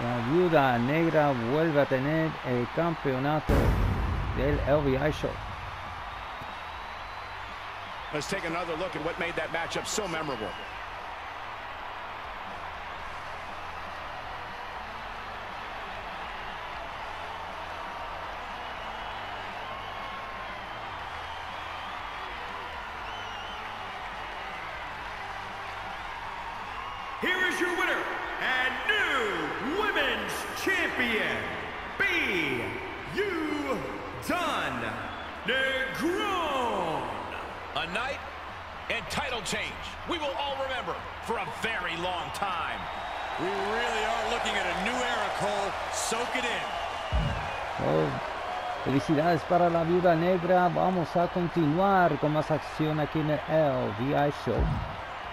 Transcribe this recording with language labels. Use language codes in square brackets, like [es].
[es] Viuda Negra vuelve a tener el campeonato del LVI Show. [en] Let's take another look at what made that matchup so memorable. Here is your winner and new women's champion, Viuda Negra. A night and title change we will all remember for a very long time. We really are looking at a new era, Cole. Soak it in. [es] Oh, felicidades para la Viuda Negra. Vamos a continuar con más acción aquí en el LVI Show.